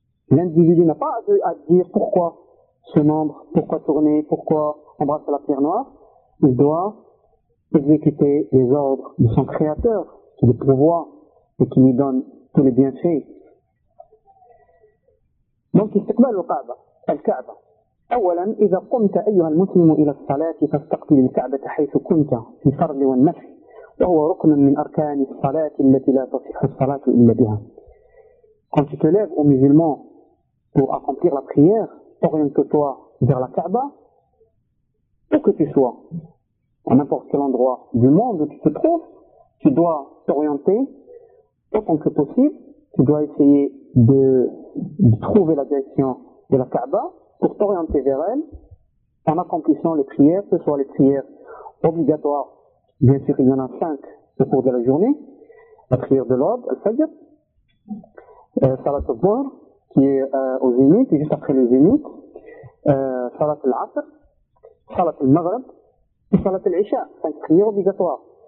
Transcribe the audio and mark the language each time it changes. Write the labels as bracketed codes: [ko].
[fr] L'individu n'a pas à dire pourquoi ce membre, pourquoi tourner, pourquoi embrasser la pierre noire. Il doit exécuter les ordres de son Créateur, qui le pourvoit et qui lui donne tous les bienfaits. Donc, il s'accueille au Kaaba, al-Kaaba. [ar] أولا إذا قمت أيها المسلم إلى الصلاة فاستقبل الكعبة حيث كنت في الفرض والنفل وهو ركن من أركان الصلاة التي لا تصح الصلاة إلا بها. [fr] Quand tu te lèves au musulman pour accomplir la prière, oriente-toi vers la Kaaba, où que tu sois, à n'importe quel endroit du monde où tu te trouves, tu dois t'orienter autant que possible, tu dois essayer de trouver la direction de la Kaaba pour t'orienter vers elle, en accomplissant les prières, que ce soit les prières obligatoires, bien sûr il y en a cinq au cours de la journée, la prière de l'aube, al-fajr, salat al-dhuhr, qui est au zénith, juste après le zénith, salat al-asr, salat al-maghrib, et salat al-isha, cinq prières obligatoires.